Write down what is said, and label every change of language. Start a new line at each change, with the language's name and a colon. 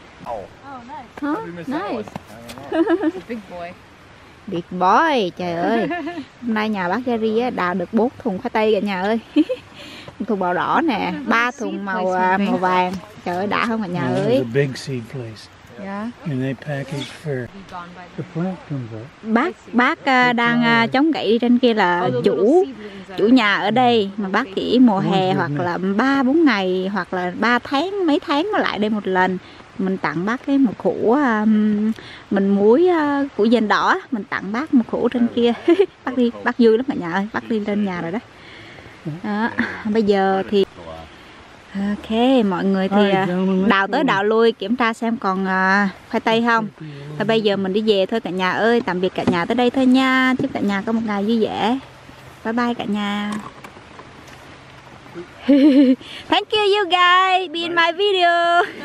English: Oh, nice. Huh? Nice. Big boy. Big boy,
Vietnamese: trời ơi. Hôm nay nhà bác Gary đào được 4 thùng khoai tây cả nhà ơi. 1 thùng màu đỏ nè, 3 thùng màu vàng. Trời ơi, đã không cả nhà ơi.
English: The big seed place. Yeah. And they package for the plant comes up.
Vietnamese: Bác đang chống gậy trên kia là chủ nhà ở đây mà bác chỉ mùa hè hoặc là 3-4 ngày hoặc là 3 tháng mấy tháng lại đây một lần. Mình tặng bác cái một củ mình muối củ dền đỏ, mình tặng bác một củ trên kia. Bác đi, bác vui lắm cả nhà ơi, bác đi lên nhà rồi đó. Đó, bây giờ thì ok, mọi người thì đào tới đào lui kiểm tra xem còn khoai tây không. Và bây giờ mình đi về thôi cả nhà ơi. Tạm biệt cả nhà tới đây thôi nha. Chúc cả nhà có một ngày vui vẻ.
English: Bye bye
Vietnamese: cả nhà.
English: Thank you you guys being my video.